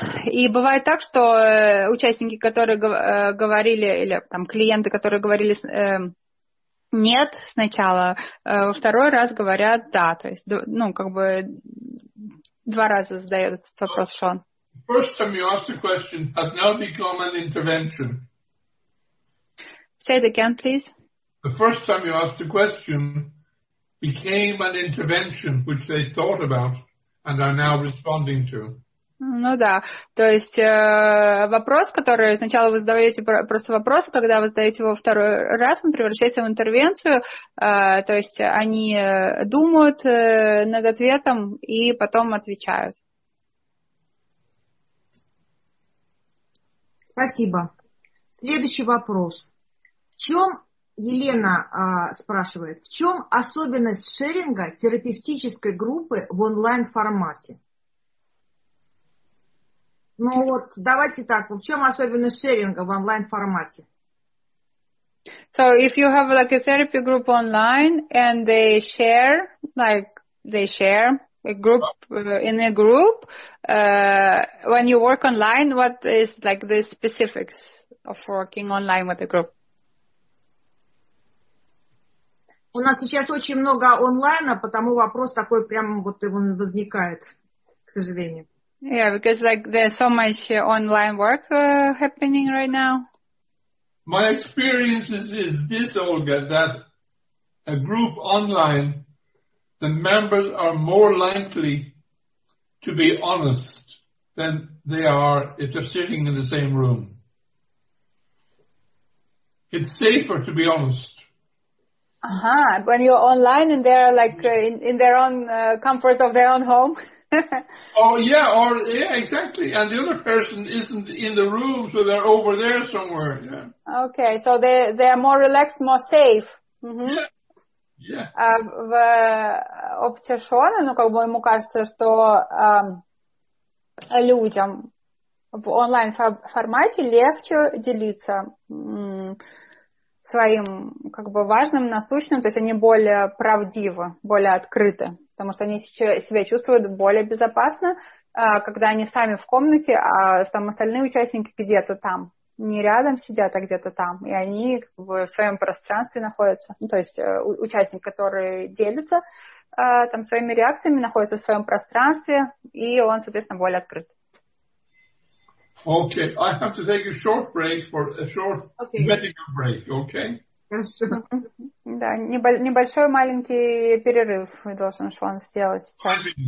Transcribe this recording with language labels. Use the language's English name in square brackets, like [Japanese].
[Russian] И бывает так, что участники, которые говорили, или там клиенты, которые говорили нет сначала, во второй раз говорят да. То есть, ну, как бы два раза задают этот вопрос Шон. [English] First time you ask the question has now become an intervention. Say it again, please. The first time you ask the question became an intervention which they thought about and are now responding to. [Russian] Ну да, то есть вопрос, который сначала вы задаете просто вопрос, когда вы задаете его второй раз, он превращается в интервенцию, то есть они думают над ответом и потом отвечают. Спасибо. Следующий вопрос. В чем... Елена спрашивает, в чем особенность шеринга терапевтической группы в онлайн-формате? Ну вот, давайте так, в чем особенность шеринга в онлайн-формате? [English] So, if you have like a therapy group online and they share, like, they share a group in a group, when you work online, what is like the specifics of working online with a group? [Russian] У нас сейчас очень много онлайна, потому вопрос такой прямо вот и он возникает, к сожалению. [English] Yeah, because like there's so much online work happening right now. My experience is this, Olga, that a group online, the members are more likely to be honest than they are if they're sitting in the same room. It's safer to be honest. Uh-huh. When you're online and they're like in their own comfort of their own home. Oh, yeah, exactly. And the other person isn't in the room, so they're over there somewhere. Yeah. Okay, so they are more relaxed, more safe. Mm-hmm. Yeah. [Russian] В опыте Шона, ну, как бы ему кажется, что людям в онлайн-формате легче делиться своим как бы важным, насущным, то есть они более правдивы, более открыты, потому что они себя чувствуют более безопасно, когда они сами в комнате, а там остальные участники где-то там, не рядом сидят, а где-то там, и они как бы в своем пространстве находятся, ну, то есть участник, который делится, там своими реакциями, находится в своем пространстве, и он, соответственно, более открыт. [English] Okay, I have to take a short break for a short medical break, okay? [Russian] Да, небольшой маленький перерыв должен Шон сделать сейчас.